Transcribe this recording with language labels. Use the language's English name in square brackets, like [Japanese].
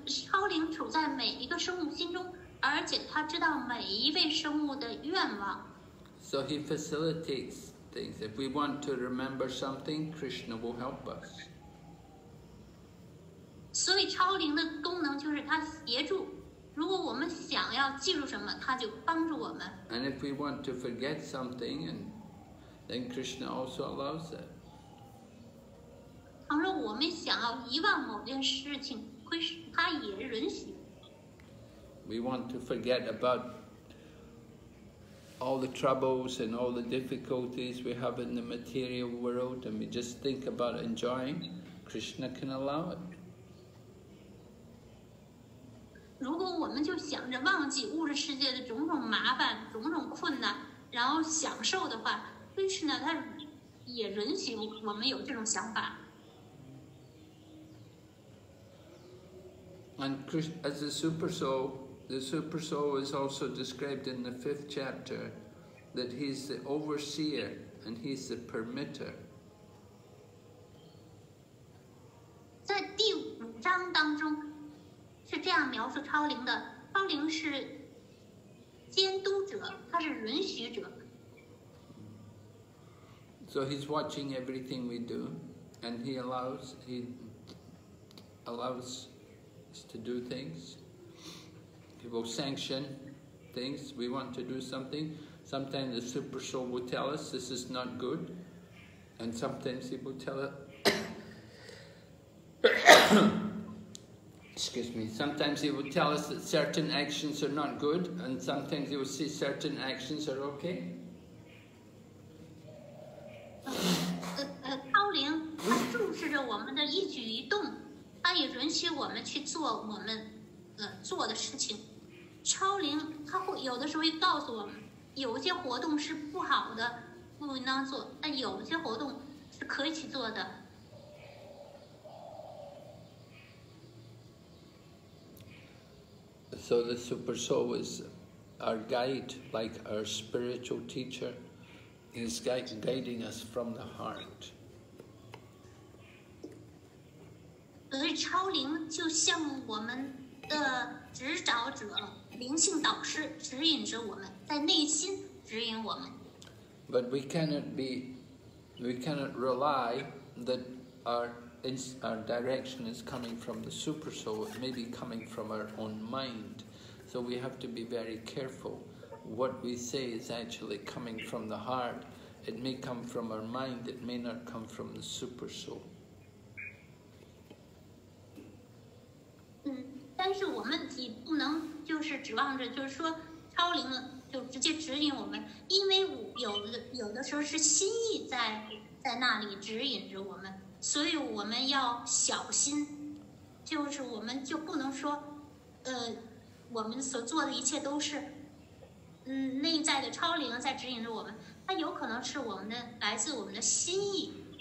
[Chinese] 超灵处在每一个生物心中，而且他知道每一位生物的愿望。 [English] So he facilitates things. If we want to remember something, Krishna will help us. [Chinese] 所以超灵的功能就是他协助。如果我们想要记住什么，他就帮助我们。 [English] And if we want to forget something, and then Krishna also allows it. [Chinese] 倘若我们想要遗忘某件事情，他也允许。 [English] We want to forget about all the troubles and all the difficulties we have in the material world, and we just think about enjoying, Krishna can allow it. [Chinese] 如果我们就想着忘记物质世界的种种麻烦、种种困难，然后享受的话， Krishna 他也允许我们有这种想法。 [English] And Krishna, as a super soul, the super soul is also described in the fifth chapter that he's the overseer and he's the permitter. [Chinese] 在第五章当中是这样描述超灵的，超灵是监督者，他是允许者。 [English] So he's watching everything we do and he allows us to do things. He will sanction things. We want to do something. Sometimes the super soul will tell us this is not good. And sometimes he will tell us, excuse me, sometimes he will tell us that certain actions are not good, and sometimes he will say certain actions are okay. [Chinese] 超灵他注视着我们的一举一动，他也允许我们去做我们做的事情。超灵他会有的时候会告诉我们有些活动是不好的，不应当做，但有些活动是可以去做的。 [English] So the super soul is our guide, like our spiritual teacher. He's guiding us from the heart. [Chinese] 而超灵就像我们的指导者，灵性导师指引着我们，在内心指引我们。 [English] But we cannot rely that our direction is coming from the super soul. It may be coming from our own mind. So we have to be very careful. What we say is actually coming from the heart. It may come from our mind. It may not come from the super soul. [Chinese] 但是我们也不能就是指望着就是说超灵就直接指引我们，因为有的时候是心意在那里指引着我们，所以我们要小心，就是我们就不能说我们所做的一切都是内在的超灵在指引着我们，它有可能是我们的来自我们的心意。